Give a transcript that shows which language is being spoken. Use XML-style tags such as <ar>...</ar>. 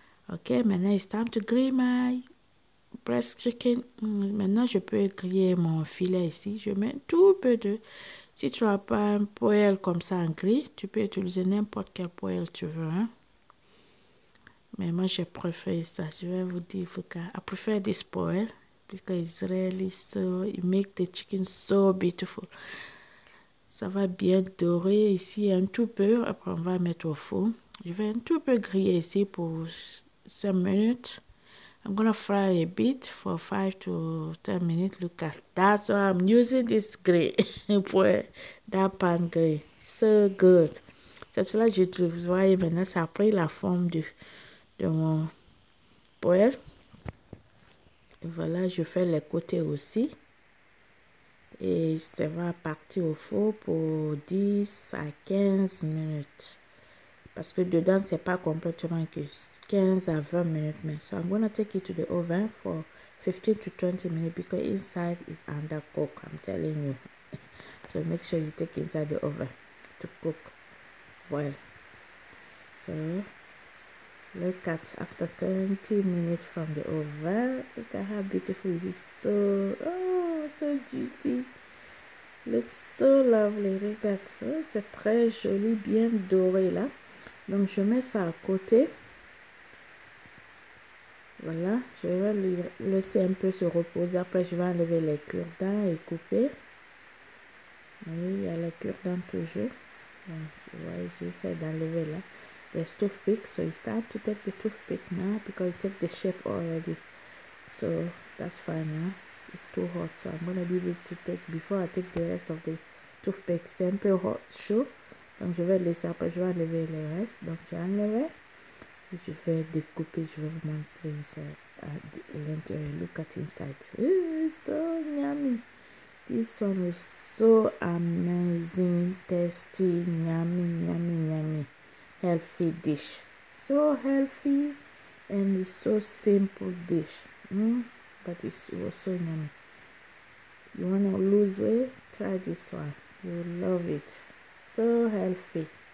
<en>Okay, maintenant it's time to grill my breast chicken.</en> <fr>Maintenant, je peux griller mon filet ici. Je mets un tout peu de. Si tu n'as pas un poêle comme ça en gris, tu peux utiliser n'importe quel poêle tu veux. Hein? Mais moi, je préfère ça. Je vais vous dire pourquoi.</fr> <en>I prefer this poêle</en> <fr>parce que</fr> <en>it's really so. It makes the chicken so beautiful.</en> <fr>Ça va bien dorer ici un tout peu. Après, on va mettre au four. Je vais un tout peu griller ici pour 5 minutes.</fr> <en>I'm gonna fry a bit for 5 to 10 minutes. Look at that's why I'm using this grill. That pan grill. So good.</en> <fr>C'est pour cela que je trouve. Vous voyez maintenant, ça a pris la forme de mon poêle. Et voilà, je fais les côtés aussi. Et ça va partir au four pour 10 à 15 minutes. Parce que dedans, c'est pas complètement que 15 à 20 minutes. Mais</fr> <en>so I'm gonna take it to the oven for 15 to 20 minutes because inside is undercooked, I'm telling you. So make sure you take inside the oven to cook well. So look at after 20 minutes from the oven. Look at how beautiful it is. So so juicy. Looks so lovely. Look at</en> <fr>c'est très joli, bien doré là. Donc je mets ça à côté. Voilà, je vais le laisser un peu se reposer. Après, je vais enlever les cure-dents et couper. Oui, il y a les cure-dents toujours. Donc, ouais, j'essaie d'enlever là.</fr> <en>Les toothpicks, so it's time to take the toothpick now because it takes the shape already. So that's fine now. Huh? It's too hot, so I'm gonna leave it to take before I take the rest of the toothpick.</en> <fr>C'est un peu hot, chaud. Donc je vais laisser, après je vais enlever le reste. Donc j'ai enlevé. Je vais découper, je vais vous montrer l'intérieur.</fr> <en>Look at inside. So yummy. This one is so amazing, tasty, yummy, yummy, yummy. Healthy dish. So healthy and it's so simple dish. But it was so yummy. You want to lose weight? Try this one. You love it. So healthy.</en>